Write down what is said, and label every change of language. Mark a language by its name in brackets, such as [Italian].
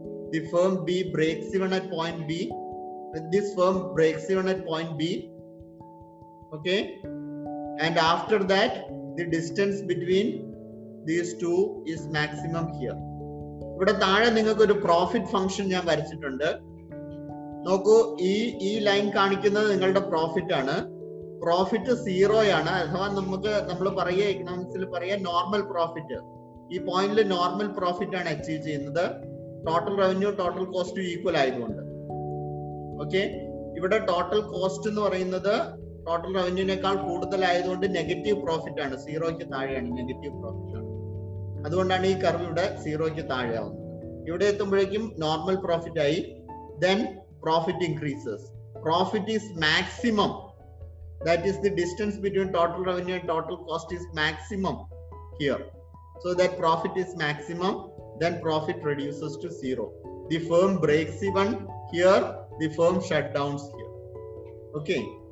[English] The firm B breaks even at point B. This firm breaks even at point B. Okay. And after that, the distance between these two is maximum here. [Malayalam] ഇവിടെ താഴെ നിങ്ങൾക്ക് ഒരു profit function ഞാൻ വരച്ചിട്ടുണ്ട്. നോക്കൂ, ഈ ഈ line കാണിക്കുന്നത് നിങ്ങളുടെ പ്രോഫിറ്റ് ആണ്. പ്രോഫിറ്റ് സീറോയാണ്, അഥവാ നമുക്ക് നമ്മൾ പറയുക ഇക്കണോമിക്സിൽ പറയുക നോർമൽ പ്രോഫിറ്റ്. ഈ പോയിന്റിൽ നോർമൽ പ്രോഫിറ്റ് ആണ് അച്ചീവ് ചെയ്യുന്നത്. ടോട്ടൽ റവന്യൂ ടോട്ടൽ കോസ്റ്റും ഈക്വൽ ആയതുകൊണ്ട്. ഓക്കെ, ഇവിടെ ടോട്ടൽ കോസ്റ്റ് എന്ന് പറയുന്നത് ടോട്ടൽ റവന്യൂനേക്കാൾ കൂടുതലായതുകൊണ്ട് നെഗറ്റീവ് പ്രോഫിറ്റ് ആണ്, സീറോയ്ക്ക് താഴെയാണ് നെഗറ്റീവ് പ്രോഫിറ്റ്. അതുകൊണ്ടാണ് ഈ കർവ് ഇവിടെ സീറോയ്ക്ക് താഴെ ആവുന്നത്. ഇവിടെ എത്തുമ്പോഴേക്കും നോർമൽ പ്രോഫിറ്റ് ആയി. [English] Then profit increases. Profit is maximum. That is the distance between total revenue and total cost is maximum here. So that profit is maximum, then profit reduces to zero. The firm breaks even here, the firm shutdowns here. Okay.